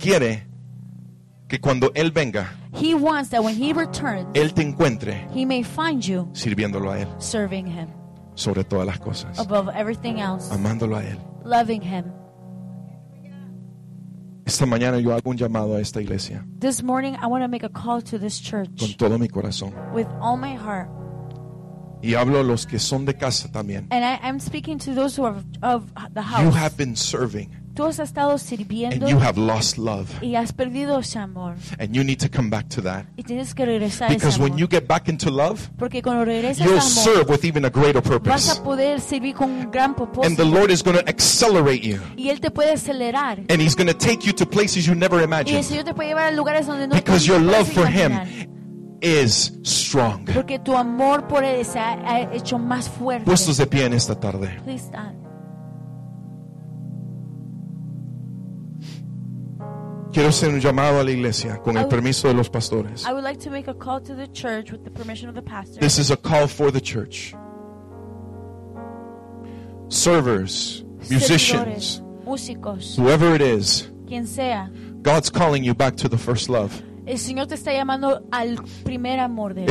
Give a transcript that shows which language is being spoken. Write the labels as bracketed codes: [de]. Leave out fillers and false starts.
[es] Quiere que cuando Él venga, [en] he wants that when he returns, [es] Él te encuentre, [en] he may find you [es] sirviéndolo a Él, [en] serving him. [es] Sobre todas las cosas. [en] Above everything else. [es] Amándolo a Él. [en] Loving Him. [es] Esta mañana yo hago un llamado a esta iglesia. [en] This morning I want to make a call to this church. [es] Con todo mi corazón. [en] With all my heart. [es] Y hablo a los que son de casa también. [en] And I'm speaking to those who are of the house. You have been serving. [es] tú has estado sirviendo, [en] and you have lost love, [es] y has perdido ese amor, [en] and you need to come back to that. [es] Y tienes que regresar a ese amor. [en] When you get back into love, you'll serve with even a greater purpose. [es] Vas a poder servir con un gran propósito. [en] And the Lord is going to accelerate you. [es] Y él te puede acelerar. [en] And he's going to take you to places you never imagined. [es] Y el Señor te puede llevar a lugares donde no [en] because [es] te [en] your love [es] imaginar. [en] For him is strong. [es] Porque tu amor por él se ha hecho más fuerte. Puestos de pie en esta tarde. [en] Please stand. [es] Quiero hacer un llamado a la iglesia con el permiso de los pastores. [en] I would like to make a call to the church with the permission of the pastor. This is a call for the church. Servers, musicians, [es] músicos, [en] whoever it is, [es] quien sea, [en] God's calling you back to the first love. [es] El Señor te está llamando al primer amor de él.